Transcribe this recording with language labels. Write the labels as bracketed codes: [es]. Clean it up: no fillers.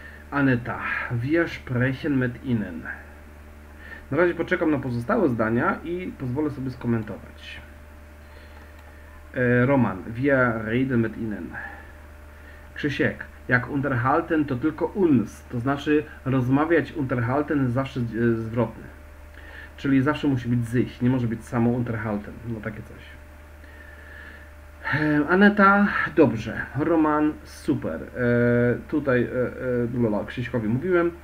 [de] Aneta, wir sprechen mit ihnen. [pl] Na razie poczekam na pozostałe zdania i pozwolę sobie skomentować. [de] Roman, wir reden mit ihnen. [pl] Krzysiek, jak unterhalten to tylko uns, to znaczy rozmawiać unterhalten zawsze zwrotne. Czyli zawsze musi być sich, nie może być samo unterhalten, no takie coś. Aneta, dobrze. Roman, super. Tutaj Krzyśkowi mówiłem.